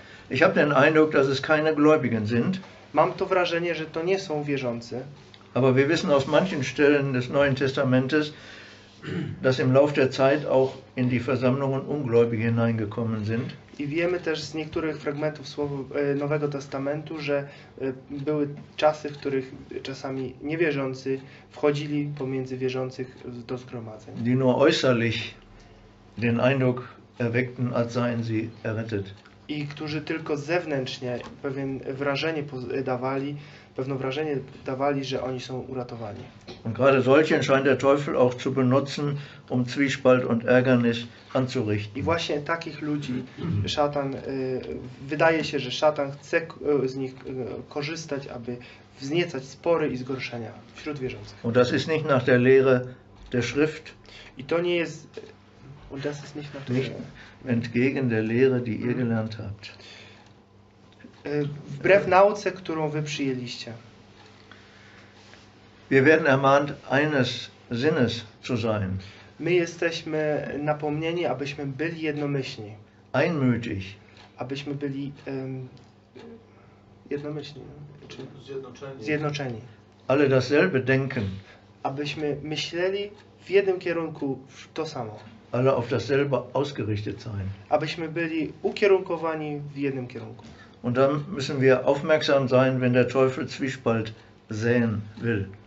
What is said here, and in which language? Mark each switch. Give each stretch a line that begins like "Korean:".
German: Ich habe den Eindruck, dass es keine Gläubigen sind.
Polish: Mam to wrażenie, że to nie są wierzący.
German: Aber wir wissen aus manchen Stellen des Neuen Testamentes, dass im Lauf der Zeit auch in die Versammlungen Ungläubige hineingekommen sind.
Polish: I wiemy też z niektórych fragmentów słowa Nowego Testamentu, że były czasy, w których czasami niewierzący wchodzili pomiędzy wierzących do zgromadzeń.
German: Die nur äußerlich den Eindruck erweckten, als seien sie errettet.
Polish: I którzy tylko zewnętrznie pewien wrażenie dawali, pewne wrażenie dawali, że oni są uratowani.
German: Und gerade solchen scheint der Teufel auch zu benutzen, um Zwiespalt und Ärgernis anzurichten.
Polish: I właśnie takich ludzi szatan, wydaje się, że szatan chce z nich korzystać, aby wzniecać spory i zgorszenia wśród wierzących.
German: Und das ist nicht nach der Lehre der Schrift.
Polish: I to nie jest,
German: und das ist nicht nach der Lehre. Entgegen der Lehre, die ihr gelernt habt.
Polish: Wbrew nauce, którą wy przyjęliście.
German: Wir werden ermahnt, eines Sinnes zu sein.
Polish: My jesteśmy napomnieni, abyśmy byli jednomyślni.
German: Einmütig.
Polish: Abyśmy byli jednomyślni. Zjednoczeni.
German: Ale dasselbe denken.
Polish: Abyśmy myśleli w jednym kierunku to samo.
German: Alle auf dasselbe ausgerichtet sein.
Polish: Abyśmy byli ukierunkowani w jednym kierunku.
German: Und dann müssen wir aufmerksam sein, wenn der Teufel Zwiespalt säen will.